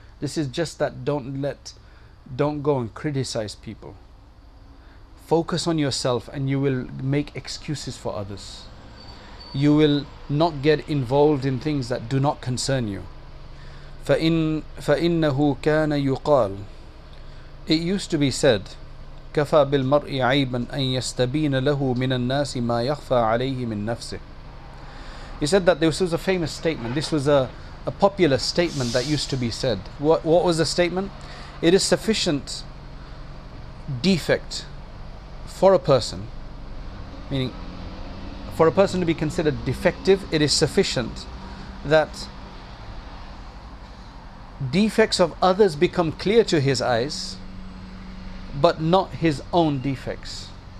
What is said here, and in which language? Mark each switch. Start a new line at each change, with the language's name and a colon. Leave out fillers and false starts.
English: This is just that don't go and criticize people. Focus on yourself and you will make excuses for others. You will not get involved in things that do not concern you.
Arabic: فَإِنَّهُ كَانَ يُقَالُ.
English: It used to be said,
Arabic: كَفَى بِالْمَرْءِ عَيْبًا أَن يَسْتَبِينَ لَهُ مِنَ النَّاسِ مَا يَخْفَى عَلَيْهِ مِنْ نَفْسِهِ.
English: He said that this was a famous statement. This was a popular statement that used to be said. What was the statement? It is sufficient defect for a person, meaning for a person to be considered defective, it is sufficient that defects of others become clear to his eyes, but not his own defects.